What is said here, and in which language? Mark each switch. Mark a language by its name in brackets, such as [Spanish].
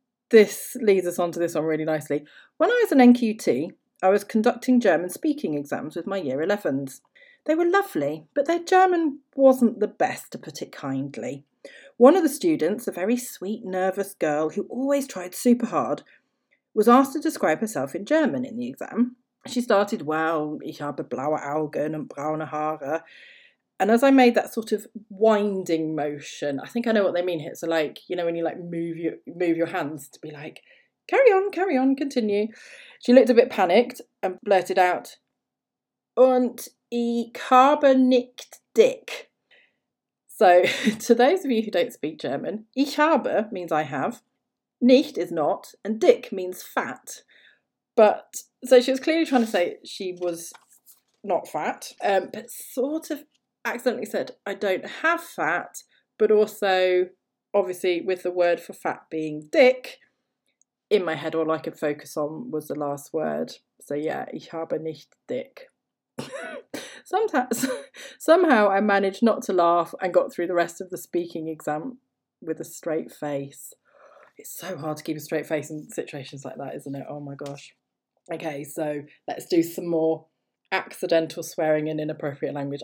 [English] This leads us on to this one really nicely. When I was an NQT, I was conducting German speaking exams with my year 11s. They were lovely, but their German wasn't the best, to put it kindly. One of the students, a very sweet, nervous girl who always tried super hard, was asked to describe herself in German in the exam. She started, well, [German] ich habe blaue Augen und braune Haare. [English] And as I made that sort of winding motion, I think I know what they mean here. So like, you know, when you like move your hands to be like, carry on, continue. She looked a bit panicked and blurted out, [German] und ich habe nicht dick. [English] So, to those of you who don't speak German, [German] ich habe [English] means I have, nicht is not, and dick means fat. But, so she was clearly trying to say she was not fat, but sort of accidentally said, I don't have fat, but also, obviously, with the word for fat being dick, in my head, all I could focus on was the last word. So yeah, [German] ich habe nicht dick. [English] Somehow I managed not to laugh and got through the rest of the speaking exam with a straight face. It's so hard to keep a straight face in situations like that, isn't it? Oh my gosh. Okay, so let's do some more accidental swearing in inappropriate language.